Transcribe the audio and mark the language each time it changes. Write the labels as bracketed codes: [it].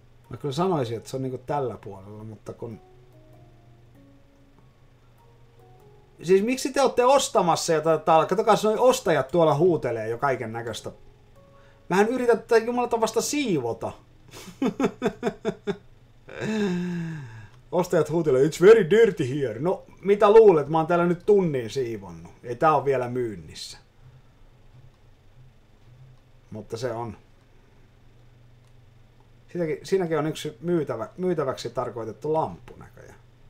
[fi] Mä kyllä sanoisin, että se on niinku tällä puolella, mutta kun... Siis miksi te olette ostamassa jotain täällä? Katsokaa, se noi ostajat tuolla huutelee jo kaiken näköistä. Mähän yritän tätä jumalata vasta siivota. Ostajat huutelee, [en] it's very dirty here. [fi] No, mitä luulet, mä oon täällä nyt tunnin siivonnut. Ei tää on vielä myynnissä. Mutta se on. Siinäkin on yksi myytäväksi tarkoitettu lamppu näköjään.